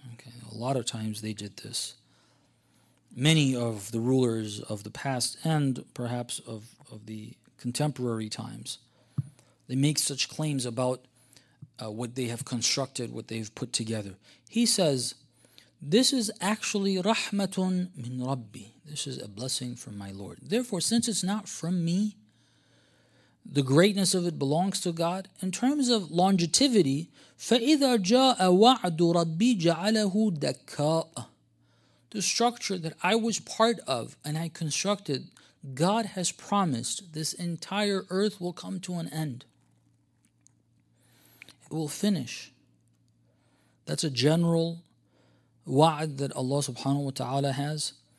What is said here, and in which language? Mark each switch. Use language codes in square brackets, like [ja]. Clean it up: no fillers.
[en] Okay, a lot of times they did this. Many of the rulers of the past and perhaps of the contemporary times, they make such claims about what they have constructed, what they've put together. He says, this is actually [ar] rahmatun min Rabbi. [en] This is a blessing from my Lord. Therefore, since it's not from me, the greatness of it belongs to God. In terms of longevity, [ar] فَإِذَا جَاءَ وَعْدُ رَبِّي جَعَلَهُ دَكَاءَ. [en] The structure that I was part of and I constructed, God has promised this entire earth will come to an end. Will finish. That's a general wa'ad that Allah subhanahu wa ta'ala has.